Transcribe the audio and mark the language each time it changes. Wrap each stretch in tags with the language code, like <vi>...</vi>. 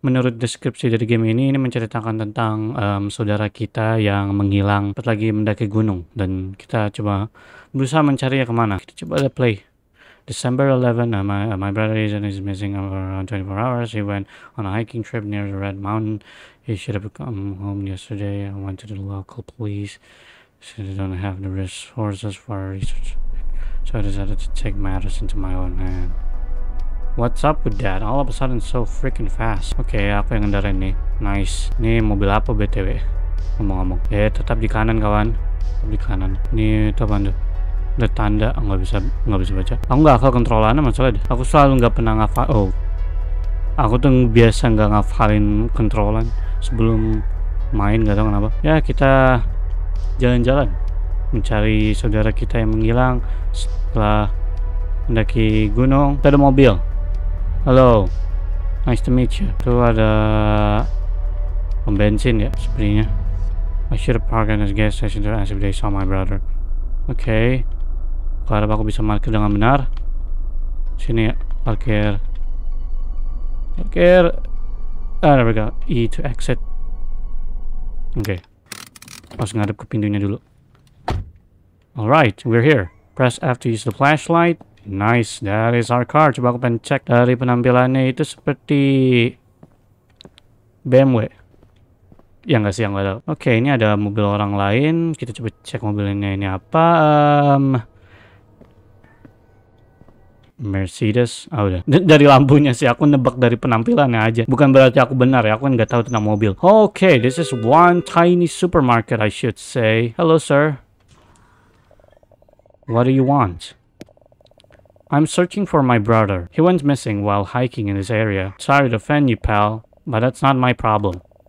<id>Menurut deskripsi dari game ini menceritakan tentang saudara kita yang menghilang, pas lagi mendaki gunung dan kita coba berusaha mencari ya kemana. Kita coba ada play.</id> <en>December 11, my brother is and is missing around 24 hours. He went on a hiking trip near the Red Mountain. He should have come home yesterday. I went to the local police. So they don't have the resources for research. So I decided to take matters into my own hand. What's up with that? All of a sudden so freaking fast. Oke, okay,</en> <id>aku yang ngendarin nih.</id> <en>Nice.</en> <id>Ini mobil apa BTW? Ngomong-ngomong. Tetap di kanan kawan. Tetap di kanan. Ini itu apaan tuh? Ada tanda. Nggak bisa baca. Aku nggak hafal kontrolannya masalah deh. Aku selalu nggak pernah ngafal. Oh. Aku tuh biasa nggak ngafalin kontrolan sebelum main, nggak tau kenapa. Ya, kita jalan-jalan. Mencari saudara kita yang menghilang setelah mendaki gunung. Kita ada mobil.</id> <en>Halo, nice to meet you.</en> <id>Itu ada pom bensin ya sepertinya.</id> <en>I should have parked in this gas station to ask if they saw my brother. Oke, okay.</en> <id>Harap aku bisa parkir dengan benar. Sini ya, parkir. Parkir.</id> <en>Ah, there we go. E to exit. Oke, okay.</en> <id>Harus ngadep ke pintunya dulu.</id> <en>Alright, we're here. Press F to use the flashlight. Nice, that is our car.</en> <id>Coba aku pengen cek dari penampilannya itu seperti BMW. Ya nggak sih, yang nggak tahu. Oke, ini ada mobil orang lain. Kita coba cek mobilnya ini apa. Mercedes. Oh, udah. Dari lampunya sih, aku nebak dari penampilannya aja. Bukan berarti aku benar ya, aku kan nggak tahu tentang mobil.</id> <en>Oke, this is one tiny supermarket, I should say. Hello, sir. What do you want? I'm searching for my brother. He went missing while hiking in this area. Sorry to offend you, pal, but that's not my problem.</en>